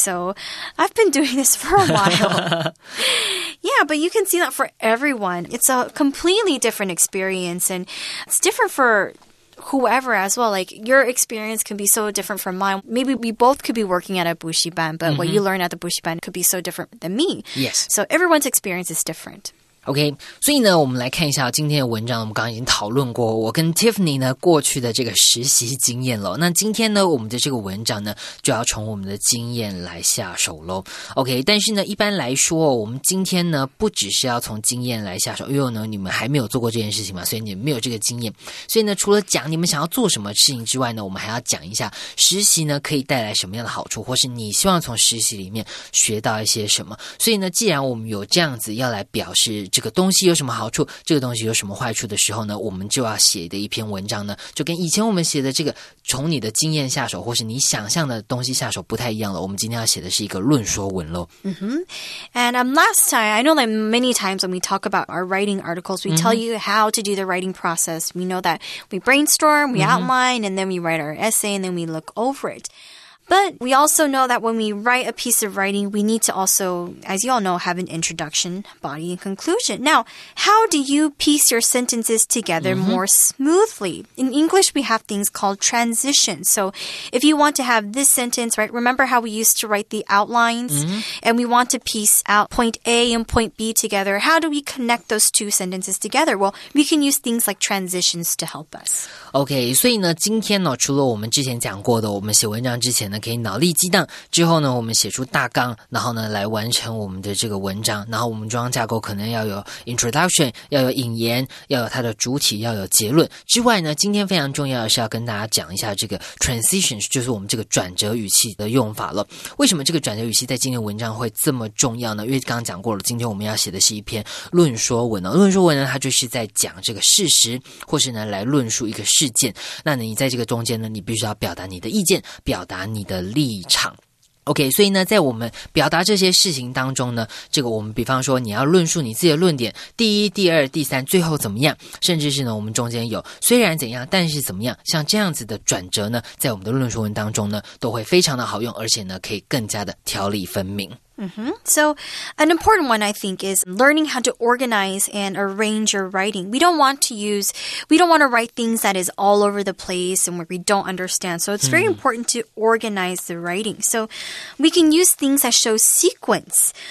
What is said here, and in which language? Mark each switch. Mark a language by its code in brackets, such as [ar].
[en] So I've been doing this for a while. Yeah, but you can see that for everyone. It's a completely different experience. And it's different for whoever as well. Like, your experience can be so different from mine. Maybe we both could be working at a bushiban, but what you learn at the bushiban could be so different than me. Yes. So everyone's experience is different. [zh] OK, 所以呢，我们来看一下今天的文章，我们刚刚已经讨论过我跟 Tiffany 呢过去的这个实习经验了。那今天呢，我们的这个文章呢，就要从我们的经验来下手咯。 OK, 但是呢，一般来说，我们今天呢，不只是要从经验来下手，因为呢，你们还没有做过这件事情嘛，所以你们没有这个经验。所以呢，除了讲你们想要做什么事情之外呢，我们还要讲一下实习呢，可以带来什么样的好处，或是你希望从实习里面学到一些什么。所以呢，既然我们有这样子要来表示这个东西有什么好处，这个东西有什么坏处的时候呢，我们就要写的一篇文章呢，就跟以前我们写的这个从你的经验下手或是你想象的东西下手不太一样了。我们今天要写的是一个论说文咯。 [en] And last time, I know that many times when we talk about our writing articles, we tell you how to do the writing process. We know that we brainstorm, we outline, and then we write our essay, and then we look over it. But we also know that when we write a piece of writing, we need to also, as you all know, have an introduction, body, and conclusion. Now, how do you piece your sentences together more smoothly? In English, we have things called transitions. So if you want to have this sentence, right, remember how we used to write the outlines? And we want to piece out point A and point B together. How do we connect those two sentences together? Well, we can use things like transitions to help us. [zh] OK, 所以呢，今天呢，除了我们之前讲过的，我们写文章之前可以脑力激荡，之后呢，我们写出大纲，然后呢，来完成我们的这个文章。然后我们装架构可能要有 introduction, 要有引言，要有它的主体，要有结论。之外呢，今天非常重要的是要跟大家讲一下这个 transition, 就是我们这个转折语气的用法了。为什么这个转折语气在今天文章会这么重要呢？因为刚刚讲过了，今天我们要写的是一篇论说文呢。论说文呢，它就是在讲这个事实，或是呢，来论述一个事件。那你在这个中间呢，你必须要表达你的意见，表达你的立场。 OK, 所以呢，在我们表达这些事情当中呢，这个我们比方说你要论述你自己的论点，第一、第二、第三、最后怎么样，甚至是呢，我们中间有虽然怎样，但是怎么样，像这样子的转折呢，在我们的论述文当中呢，都会非常的好用，而且呢，可以更加的条理分明。 [en] So an important one, I think, is learning how to organize and arrange your writing. We don't want to write things that is all over the place and where we don't understand. So it's very important to organize the writing. So we can use things that show sequence.